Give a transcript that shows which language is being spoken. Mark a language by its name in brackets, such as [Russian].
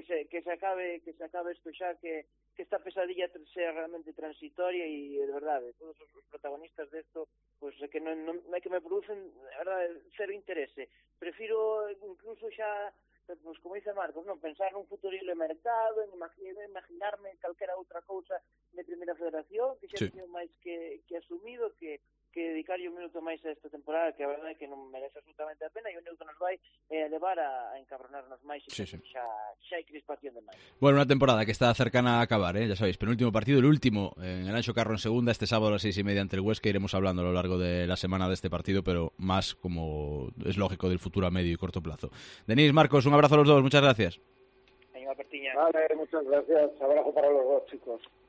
[Spanish] que se acabe esto xa, que esta pesadilla sea realmente transitoria y de verdad, todos los protagonistas de esto, pues que no que me producen, de verdad, cero interés. Prefiero incluso xa, pues como dice Marcos, no pensar en un futuro libre mercado, en imaginarme [Galician] calquera outra cousa de Primeira Federación, que xa teño máis que asumido, que dedicar un minuto máis a esta temporada, que a verdade é que non merece absolutamente a pena, e o único que nos vai levar a encabronarnos máis, e xa hai crispación de máis. [Spanish] Bueno, unha temporada que está cercana a acabar, ya sabéis, penúltimo partido, el último en el Anxo Carro en segunda, este sábado a las 6:30 ante el Huesca, iremos hablando a lo largo de la semana de este partido, pero más como es lógico del futuro a medio y corto plazo. Denis, Marcos, un abrazo a los dos, muchas gracias. Señor Pertiña. Vale, muchas gracias, abrazo para los dos, chicos.